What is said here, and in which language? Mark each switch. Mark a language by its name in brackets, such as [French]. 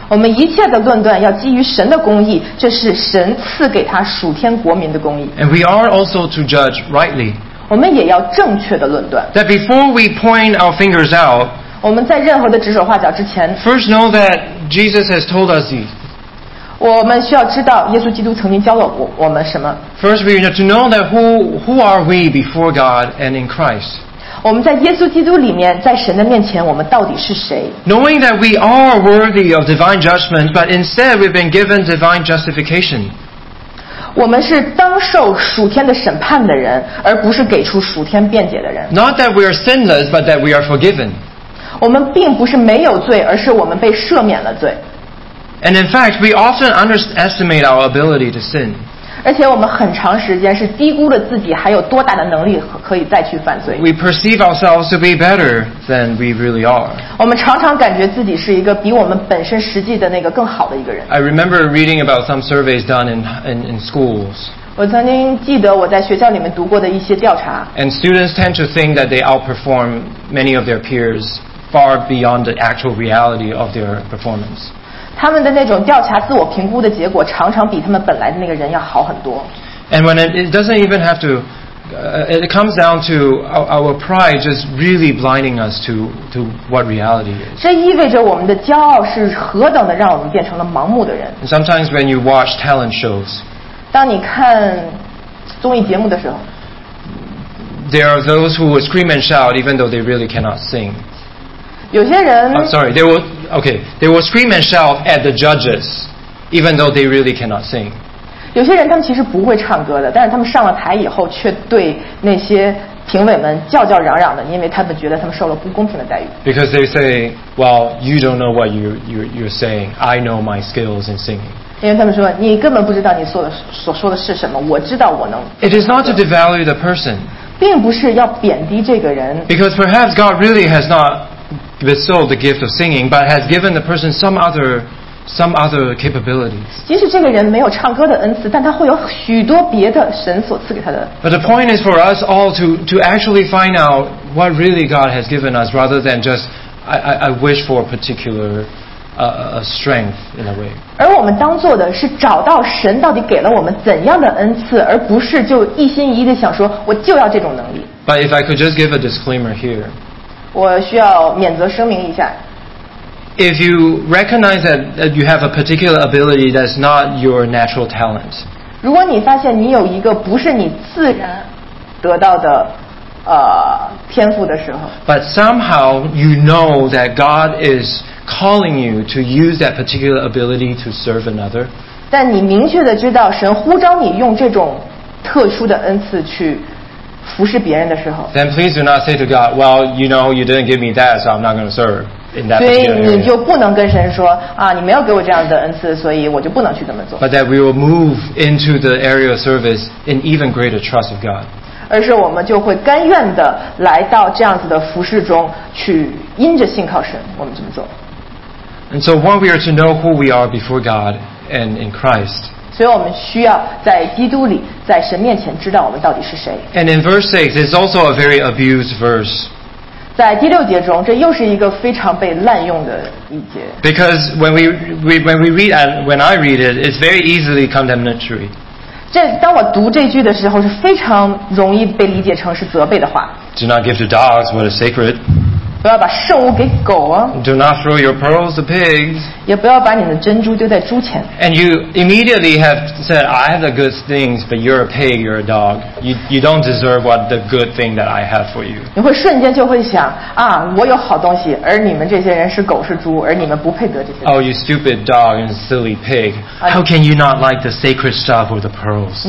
[Chinese] 我们一切的论断要基于神的公义，这是神赐给他属天国民的公义。 [English] And we are also to judge rightly. [Chinese] 我们也要正确的论断。 [English] That before we point our fingers out, [Chinese] 我们在任何的指手画脚之前 [English] ，first know that Jesus has told us these. [Chinese] 我们需要知道耶稣基督曾经教了我们什么。 [English] First, we need to know that who are we before God and in Christ. [Chinese] 我们在耶稣基督里面，在神的面前，我们到底是谁 [English] ？Knowing that we are worthy of divine judgment, but instead we've been given divine justification. [Chinese] 我们是当受属天的审判的人，而不是给出属天辩解的人。 [English] Not that we are sinless, but that we are forgiven. [Chinese] 我们并不是没有罪，而是我们被赦免了罪。 [English] And in fact, we often underestimate our ability to sin. [Chinese] 而且我们很长时间是低估了自己还有多大的能力可以再去犯罪。 [English] We perceive ourselves to be better than we really are. [Chinese] 我们常常感觉自己是一个比我们本身实际的那个更好的一个人。 [English] I remember reading about some surveys done in schools. [Chinese] 我曾经记得我在学校里面读过的一些调查。 [English] And students tend to think that they outperform many of their peers far beyond the actual reality of their performance. [Chinese] 他们的那种调查自我评估的结果常常比他们本来的那个人要好很多。 [English] And when it doesn't even have to, it comes down to our pride just really blinding us to what reality is. [Chinese] 这意味着我们的骄傲是何等的让我们变成了盲目的人。 [English] And sometimes when you watch talent shows, [Chinese] 当你看综艺节目的时候 [English] there are those who will scream and shout even though they really cannot sing. [Chinese] 有些人 [English] I'm sorry, they will scream and shout at the judges, even though they really cannot sing. [Chinese] 有些人他们其实不会唱歌的，但是他们上了台以后却对那些评委们叫叫嚷嚷的，因为他们觉得他们受了不公平的待遇。 [English] Because they say, well, you don't know what you're saying. I know my skills in singing. [Chinese] 因为他们说你根本不知道你所说的是什么，我知道我能。 [English] It is not to devalue the person. [Chinese] 并不是要贬低这个人。 [English] Because perhaps God really has not. Bestowed the gift of singing, but has given the person some other capabilities. [Chinese] 即使这个人没有唱歌的恩赐，但他会有许多别的神所赐给他的。 [English] But the point is for us all to actually find out what really God has given us, rather than just I wish for a particular strength in a way. [Chinese] 而我们当做的是找到神到底给了我们怎样的恩赐，而不是就一心一意的想说我就要这种能力。 [English] But But if I could just give a disclaimer here. [Chinese] 我需要免责声明一下。 [English] If you recognize that, that you have a particular ability that's not your natural talent. [Chinese] 如果你发现你有一个不是你自然得到的天赋的时候。 [English] But somehow you know that God is calling you to use that particular ability to serve another. [Chinese] 但你明确地知道神呼召你用这种特殊的恩赐去服侍别人的时候。 [English] Then please do not say to God, well, you know, you didn't give me that, so I'm not going to serve in that particular area. [Chinese] 所以你就不能跟神说啊，你没有给我这样的恩赐，所以我就不能去这么做。 [English] But that we will move into the area of service in even greater trust of God. [Chinese] 而是我们就会甘愿地来到这样子的服事中去因着信靠神我们怎么做 [English] And so when we are to know who we are before God and in Christ [Chinese] 所以我们需要在基督里在神面前知道我们到底是谁 [English] And in verse 6 it's also a very abused verse [Chinese] 在第六节中这又是一个非常被滥用的一节 [English] Because when we read and when I read it it's very easily condemnatory [Chinese] 当我读这句的时候是非常容易被理解成是责备的话 [English] Do not give to dogs what is sacred [Chinese] 不要把兽物给狗啊 [English] Do not throw your pearls to pigs [Chinese] 也不要把你的珍珠丢在猪前 [English] And you immediately have said I have the good things but you're a pig, you're a dog You don't deserve what the good thing that I have for you [Chinese] 你会瞬间就会想啊，我有好东西而你们这些人是狗是猪而你们不配得这些 [English] Oh you stupid dog and silly pig How can you not like the sacred stuff or the pearls